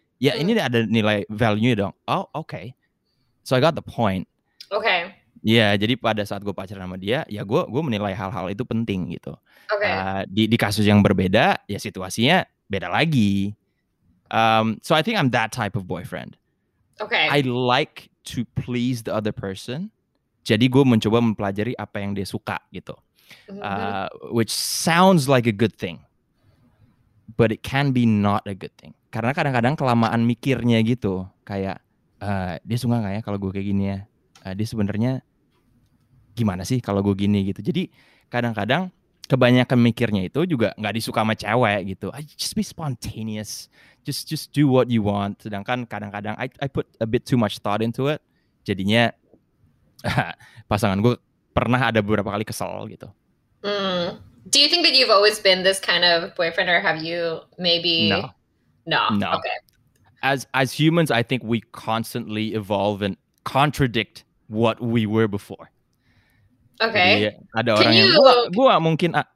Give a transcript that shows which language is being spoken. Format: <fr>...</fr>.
<id>Ya ini ada nilai value-nya dong.</id> <en>Oh, okay. So I got the point. Okay.</en> <id>Iya, jadi pada saat gue pacaran sama dia, ya gue menilai hal-hal itu penting gitu.</id> <en>Okay.</en> <id>Di kasus yang berbeda, ya situasinya beda lagi.</id> <en>So I think I'm that type of boyfriend. Okay. I like to please the other person.</en> <id>Jadi gue mencoba mempelajari apa yang dia suka gitu.</id> <en>Which sounds like a good thing. But it can be not a good thing.</en> <id>Karena kadang-kadang kelamaan mikirnya gitu. Kayak, dia suka gak ya kalau gue kayak gini ya? Dia sebenarnya gimana sih kalau gue gini gitu. Jadi kadang-kadang kebanyakan mikirnya itu juga gak disuka sama cewek gitu.</id> <en>I just be spontaneous. Just do what you want.</en> <id>Sedangkan kadang-kadang</id> <en>I put a bit too much thought into it.</en> <id>Jadinya pasangan gue pernah ada beberapa kali kesel gitu.</id> <en>Do you think that you've always been this kind of boyfriend or have you maybe... No. Okay. As humans, I think we constantly evolve and contradict what we were before. Okay.</en> <id>Jadi, ada orang yang, gua mungkin,</id>